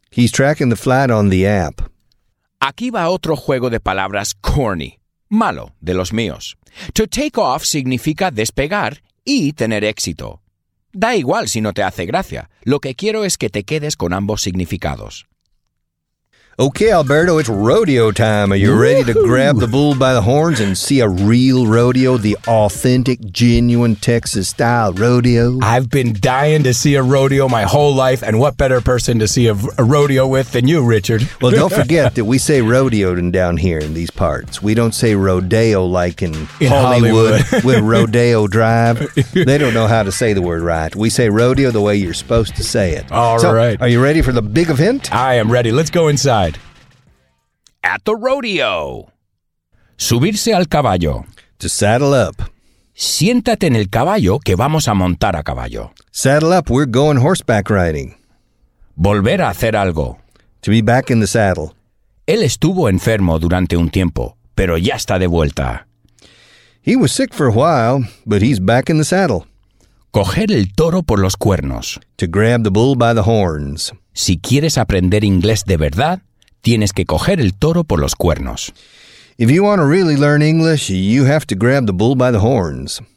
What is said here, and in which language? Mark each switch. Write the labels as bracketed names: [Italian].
[English] He's tracking the flight on the app. [Spanish] Aquí va otro juego de palabras corny. Malo, de los míos. [English] To take off [Spanish] significa despegar y tener éxito. Da igual si no te hace gracia. Lo que quiero es que te quedes con ambos significados. [English] Okay, Alberto, it's rodeo time. Are you ready to grab the bull by the horns and see a real rodeo? The authentic, genuine Texas-style rodeo? I've been dying to see a rodeo my whole life, and what better person to see a rodeo with than you, Richard? Well, don't forget that we say rodeo down here in these parts. We don't say rodeo like in Hollywood with Rodeo Drive. They don't know how to say the word right. We say rodeo the way you're supposed to say it. All right. Are you ready for the big event? I am ready. Let's go inside. At the rodeo. [Spanish] Subirse al caballo. [English] To saddle up. [Spanish] Siéntate en el caballo que vamos a montar a caballo. [English] Saddle up, we're going horseback riding. [Spanish] Volver a hacer algo. [English] To be back in the saddle. [Spanish] Él estuvo enfermo durante un tiempo, pero ya está de vuelta. [English] He was sick for a while, but he's back in the saddle. [Spanish] Coger el toro por los cuernos. [English] To grab the bull by the horns. [Spanish] Si quieres aprender inglés de verdad, tienes que coger el toro por los cuernos. [English] If you want to really learn English, you have to grab the bull by the horns.